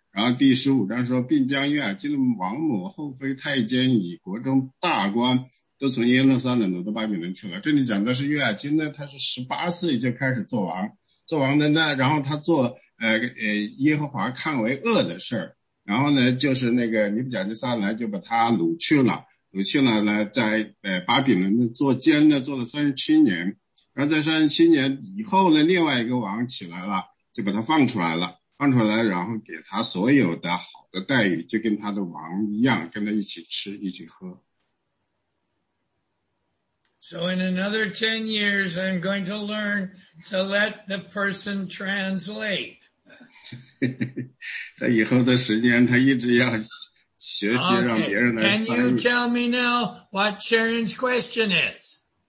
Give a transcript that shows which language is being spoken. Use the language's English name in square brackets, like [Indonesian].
[Chinese] 然后第十五章说，并将约雅敬王母后妃太监以国中大官都从耶路撒冷挪到巴比伦去了。这里讲的是约雅敬呢，他是18岁就开始做王，做王的呢，然后他做耶和华看为恶的事，然后呢就是那个尼布甲尼撒呢就把他掳去了，掳去了呢在巴比伦做监呢做了37年。然后在37年以后呢，另外一个王起来了，就把他放出来了，放出来然后给他所有的好的待遇，就跟他的王一样，跟他一起吃一起喝。 [English] So in another 10 years, I'm going to learn to let the person translate. [Chinese] 他以后的时间他一直要学习让别人来翻译。 [English] Okay. Can you tell me now what Sharon's question is?